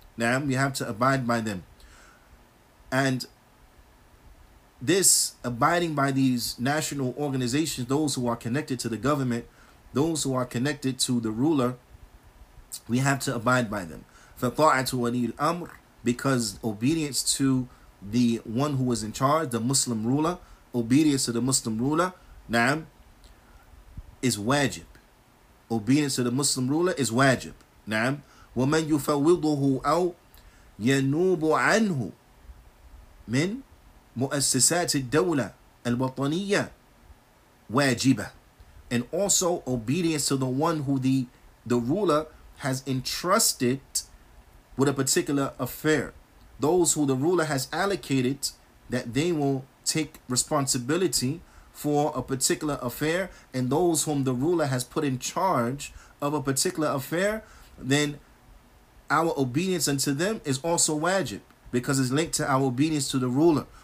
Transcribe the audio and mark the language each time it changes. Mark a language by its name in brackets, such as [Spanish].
[English] Now we have to abide by them. And this abiding by these national organizations, those who are connected to the government, those who are connected to the ruler, we have to abide by them. [Arabic] فَطَاعَةُ وَلِي الْأَمْرِ, [English] because obedience to the one who was in charge, the Muslim ruler, obedience to the Muslim ruler, na'am, is wajib. Obedience to the Muslim ruler is wajib. Na'am. [Arabic] وَمَنْ يُفَوِّضُهُ أَوْ يَنُوبُ عَنْهُ مِنْ مؤسسات الدولة الوطنية واجبة. [English] And also obedience to the one who the ruler has entrusted with a particular affair, those who the ruler has allocated that they will take responsibility for a particular affair, and those whom the ruler has put in charge of a particular affair, then our obedience unto them is also wajib, because it's linked to our obedience to the ruler.